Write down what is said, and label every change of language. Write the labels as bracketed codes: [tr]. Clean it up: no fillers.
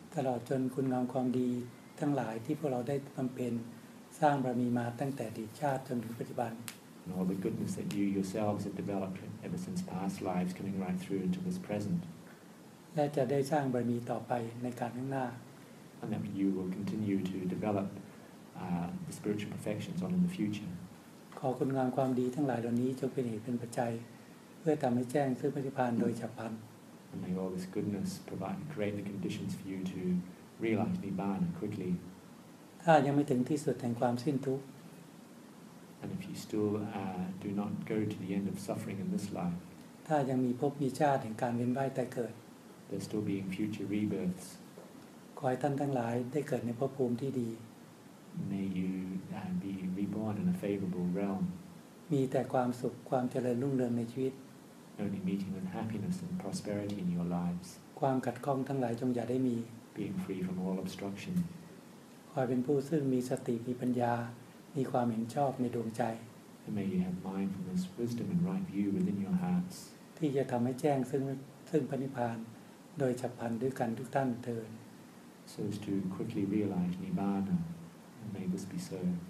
[th] ตลอดจนคุณงามความดีทั้งหลายที่พวกเราได้บำเพ็ญสร้างบารมีมาตั้งแต่อดีตชาติจนถึงปัจจุบัน [en] And all the goodness that you yourselves have developed ever since past lives coming right through into this present. [th] และจะได้สร้างบารมีต่อไปในการข้างหน้า [en] And then you will continue to develop the spiritual perfections on in the future [th] ขอคุณงามความดีทั้งหลายเหล่านี้จงเป็นเหตุเป็นปัจจัยเพื่อทำให้แจ้งซึ่งพระนิพพานโดยฉับพลัน [en] And may all this goodness provide create the conditions for you to realize Nibbana quickly [th] ถ้ายังไม่ถึงที่สุดแห่งความสิ้นทุกข์ [en] And if you still do not go to the end of suffering in this life [th] ถ้ายังมีภพมีชาติแห่งการเวียนว่ายตายเกิด [en] There still being future rebirths. [th] ขอให้ท่านทั้งหลายได้เกิดในภพภูมิที่ดี [en] May you be reborn in a favorable realm. [th] มีแต่ความสุขความเจริญรุ่งเรืองในชีวิต [en] Only meeting with happiness and prosperity in your lives. [th] ความขัดข้องทั้งหลายจงอย่าได้มี [en] Being free from all obstruction. [th] ขอให้เป็นผู้ซึ่งมีสติมีปัญญามีความเห็นชอบในดวงใจ [en] And may you have mindfulness, wisdom, and right view within your hearts. [th] ที่จะทำให้แจ้งซึ่งพระนิพพานโดยฉับพลันด้วยกันทุกท่านเทอญ [en] so as to quickly realize Nibbana and may this be so